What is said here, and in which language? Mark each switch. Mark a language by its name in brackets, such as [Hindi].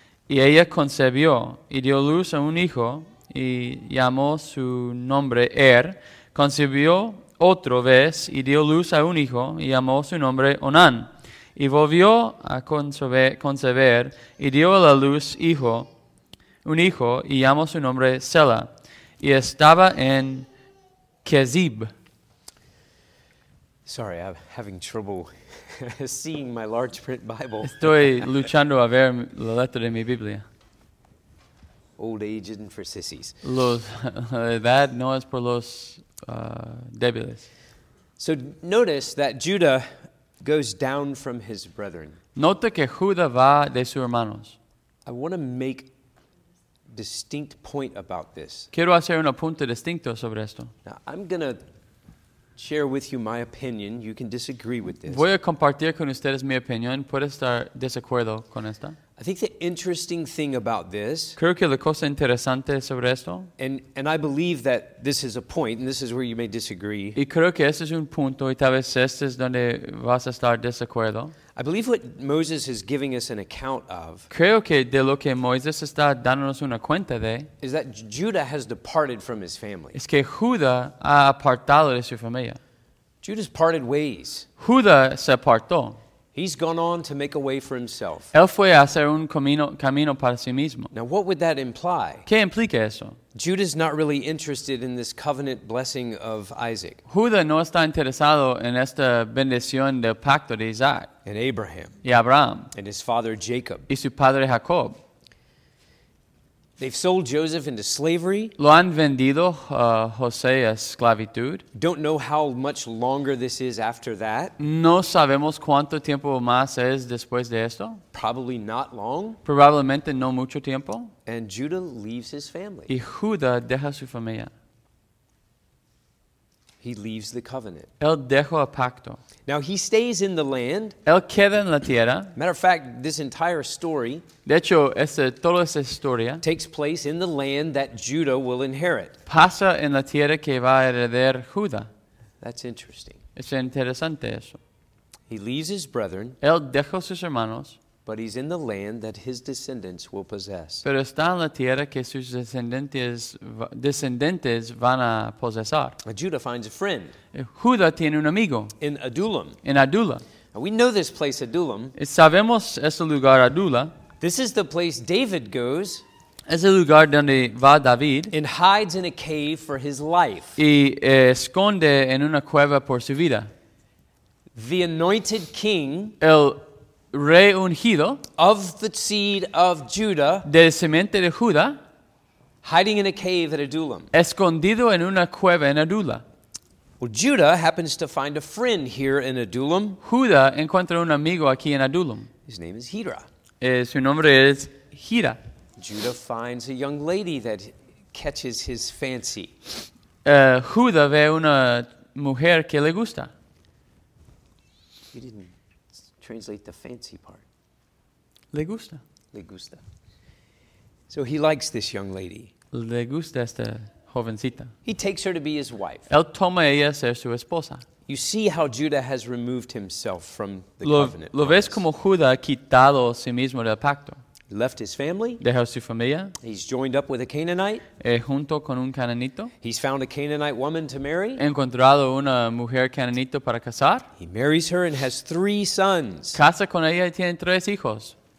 [Spanish] Y ella concebió y dio luz a un hijo y llamó su nombre Concibió otra vez y dio luz a un hijo y llamó su nombre Onán. y volvió a concebir y dio a la luz un hijo y llamó su nombre Sela y estaba en Kezib. [English] Sorry, I'm having trouble seeing my large print Bible. [Spanish] Estoy luchando a ver la letra de mi Biblia. [English] Old age isn't for sissies. [Spanish] That no es por los débiles. [English] So notice that Judah goes down from his brethren. [Spanish] Nota que Judá va de sus hermanos. [English] I want to make a distinct point about this. [Spanish] Quiero hacer un punto distinto sobre esto. [English] Now, I'm going to share with you my opinion. You can disagree with this. [Spanish] Voy a compartir con ustedes mi opinión. Puede estar desacuerdo con esta. [English] I think the interesting thing about this. [Spanish] Creo que la cosa interesante sobre esto. [English] And I believe that this is a point, and this is where you may disagree. [Spanish] Y creo que este es un punto, y tal vez este es donde vas a estar desacuerdo. [English] I believe what Moses is giving us an account of. [Spanish] Creo que de lo que Moisés está dándonos una cuenta de. [English] Is that Judah has departed from his family. [Spanish] Es que Judá ha apartado de su familia. [English] Judah's parted ways. [Spanish] Judá se apartó. [English] He's gone on to make a way for himself. [Spanish] Él fue a hacer un camino para sí mismo. [English] Now, what would that imply? [Spanish] ¿Qué implica eso? [English] Judah's not really interested in this covenant blessing of Isaac. [Spanish] Judá no está interesado en esta bendición del pacto de Isaac. [English] And Abraham. [Spanish] Y Abraham. [English] And his father Jacob. [Spanish] Y su padre Jacob. [English] They've sold Joseph into slavery. [Spanish] Lo han vendido José a esclavitud. [English] Don't know how much longer this is after that. [Spanish] No sabemos cuánto tiempo más es después de esto. [English] Probably not long. [Spanish] Probablemente no mucho tiempo. [English] And Judah leaves his family. [Spanish] Y Judá deja su familia. [English] He leaves the covenant. [Spanish] Él dejó el pacto. [English] Now he stays in the land. [Spanish] Él queda en la tierra. [English] Matter of fact, this entire story. [Spanish] De hecho, toda esa historia [English] takes place in the land that Judah will inherit. [Spanish] Pasa en la tierra que va a heredar Judá. [English] That's interesting. [Spanish] Es interesante eso. [English] He leaves his brethren. [Spanish] Él dejó sus hermanos. [English] But he's in the land that his descendants will possess. [Spanish] Pero está en la tierra que sus descendentes van a posesar. [English] Judah finds a friend. [Spanish] Judá tiene un amigo. [English] In Adullam. [Spanish] En Adulla. [English] Now we know this place, Adullam. [Spanish] Sabemos ese lugar, Adulla. [English] This is the place David goes. [Spanish] Es el lugar donde va David. [English] And hides in a cave for his life. [Spanish] Y esconde en una cueva por su vida. [English] The anointed king. [Spanish] El rey ungido [English] of the seed of Judah, [Spanish] de semente de Judá, [English] hiding in a cave at Adullam, [Spanish] escondido en una cueva en Adulla. [English] Well, Judah happens to find a friend here in Adullam. [Spanish] Judá encuentra un amigo aquí en Adullam. [English] His name is Hira. [Spanish] Su nombre es Hira. [English] Judah finds a young lady that catches his fancy. [Spanish] Judá ve una mujer que le gusta. [English] He didn't translate the fancy part. [Spanish] Le gusta. Le gusta. [English] So he likes this young lady. [Spanish] Le gusta esta jovencita. [English] He takes her to be his wife. [Spanish] Él toma ella ser su esposa. [English] You see how Judah has removed himself from the covenant. [Spanish] Lo ves como Judá ha quitado a sí mismo del pacto. [English] Left his family. [Spanish] Dejó su familia. [English] He's joined up with a Canaanite. [Spanish] Junto con un cananito. [English] He's found a Canaanite woman to marry. [Spanish] Encontrado una mujer cananito para casar. [English] He marries her and has three sons. [Spanish] Casa con ella y tiene tres hijos.